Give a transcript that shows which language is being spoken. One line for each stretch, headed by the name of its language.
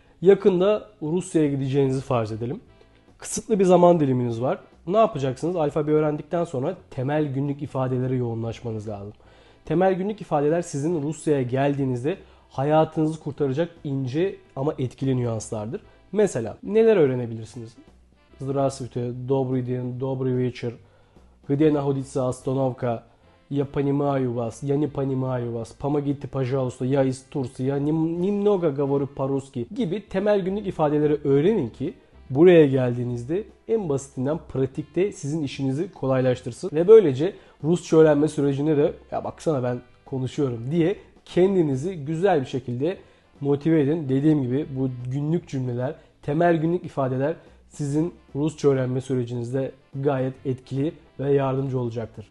Turkish: Yakında Rusya'ya gideceğinizi farz edelim. Kısıtlı bir zaman diliminiz var. Ne yapacaksınız? Alfabeyi öğrendikten sonra temel günlük ifadelere yoğunlaşmanız lazım. Temel günlük ifadeler sizin Rusya'ya geldiğinizde hayatınızı kurtaracak ince ama etkili nüanslardır. Mesela neler öğrenebilirsiniz?
Russian: Здравствуйте, добрый день, добрый вечер. Где находится остановка? Я понимаю вас, я не понимаю вас. Помогите, пожалуйста, я из Турции, я немного говорю по-русски.
Turkish: Gibi temel günlük ifadeleri öğrenin ki buraya geldiğinizde en basitinden pratikte sizin işinizi kolaylaştırsın. Ve böylece Rusça öğrenme sürecinde de ya baksana ben konuşuyorum diye kendinizi güzel bir şekilde motive edin. Dediğim gibi bu günlük cümleler, temel günlük ifadeler sizin Rusça öğrenme sürecinizde gayet etkili ve yardımcı olacaktır.